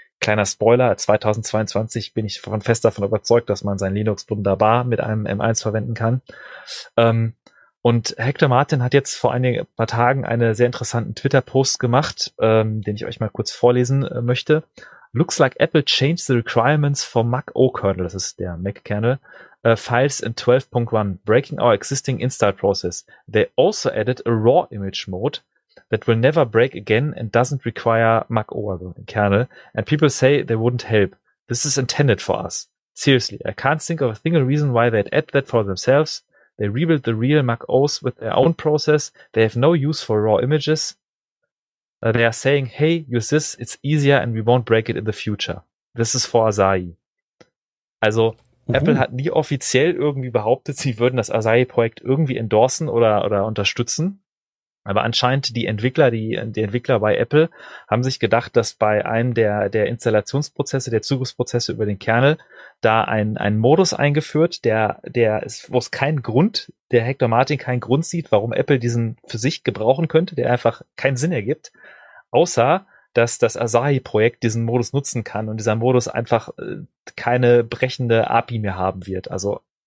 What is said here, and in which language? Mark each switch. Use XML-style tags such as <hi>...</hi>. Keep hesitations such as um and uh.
<de>Kleiner Spoiler, 2022 bin ich von fest davon überzeugt, dass man sein Linux wunderbar mit einem M1 verwenden kann. Ähm, und Hector Martin hat jetzt vor einigen paar Tagen einen sehr interessanten Twitter-Post gemacht, ähm, den ich euch mal kurz vorlesen äh, möchte.</de> <en>Looks like Apple changed the requirements for Mac O Kernel,</en> <de>das ist der Mac Kernel,</de> <en>uh, files in 12.1, breaking our existing install process. They also added a raw image mode that will never break again and doesn't require macover kernel. And people say they wouldn't help. This is intended for us. Seriously, I can't think of a single reason why they'd add that for themselves. They rebuild the real Mac OS with their own process. They have no use for raw images. Uh, they are saying, hey, use this, it's easier and we won't break it in the future. This is for Asahi. Also, Uhu.</en> <de>Apple hat nie offiziell irgendwie behauptet, sie würden das Asahi-Projekt irgendwie endorsen oder, oder unterstützen. Aber anscheinend die Entwickler, die, die Entwickler bei Apple haben sich gedacht, dass bei einem der, der Installationsprozesse, der Zugriffsprozesse über den Kernel, da ein, ein Modus eingeführt, der, der ist, wo es keinen Grund, der Hector Martin keinen Grund sieht, warum Apple diesen für sich gebrauchen könnte, der einfach keinen Sinn ergibt, außer dass das Asahi-Projekt diesen Modus nutzen kann und dieser Modus einfach äh, keine brechende API mehr haben wird, also</de>